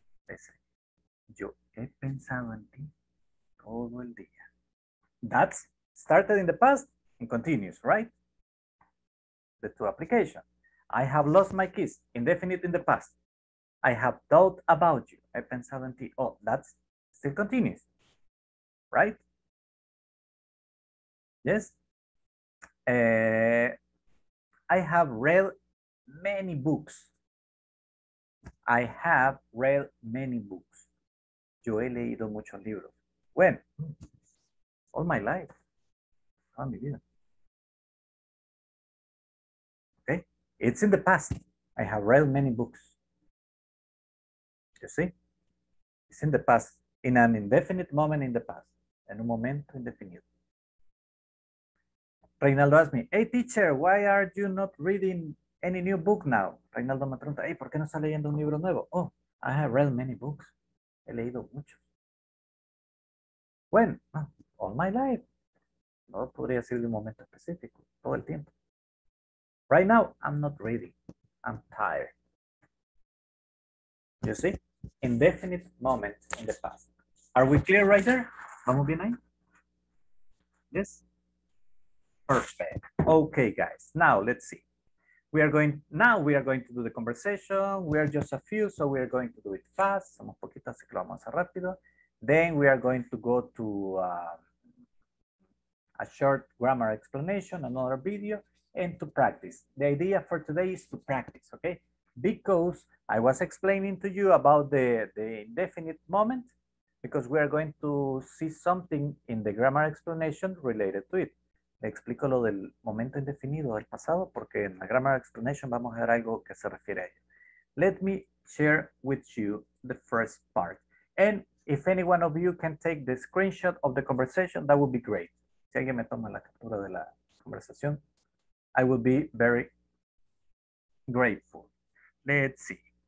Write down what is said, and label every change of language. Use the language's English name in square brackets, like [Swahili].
[Spanish] Listen, yo he pensado en ti todo el día. [English] That's started in the past and continues, right? The two applications. I have lost my keys, indefinite in the past. I have doubt about you. [Spanish] He pensado en ti. [English] Oh, that's still continuous, right? Yes. I have read many books. I have read many books. [Spanish] Yo he leído muchos libros. [English] When? All my life. [Spanish] Toda mi vida. [English] Okay. It's in the past. I have read many books. You see? It's in the past. In an indefinite moment in the past. [Spanish] En un momento indefinido. [English] Reinaldo asked me, hey teacher, why are you not reading any new book now? [Spanish] Reinaldo me pregunta, hey, ¿por qué no está leyendo un libro nuevo? [English] Oh, I have read many books. [Spanish] He leído muchos. [English] When? All my life. [Spanish] No podría decir de un momento específico, todo el tiempo. [English] Right now, I'm not reading. I'm tired. You see? Indefinite moment in the past. Are we clear right there? [Spanish] ¿Vamos bien ahí? [English] Yes? Perfect. Okay, guys. Now, let's see. We are going to do the conversation. We are just a few, so we are going to do it fast. [Spanish] Somos poquitos, así que lo vamos a hacer rápido. [English] Then we are going to go to a short grammar explanation, another video, and to practice. The idea for today is to practice, okay? Because I was explaining to you about the indefinite moment, because we are going to see something in the grammar explanation related to it. [Spanish] Le explico lo del momento indefinido del pasado, porque en la [English] grammar explanation [Spanish] vamos a ver algo que se refiere a ello. [English] Let me share with you the first part. And if any one of you can take the screenshot of the conversation, that would be great. [Spanish] Si alguien me toma la captura de la conversación, [English] I will be very grateful. Let's see.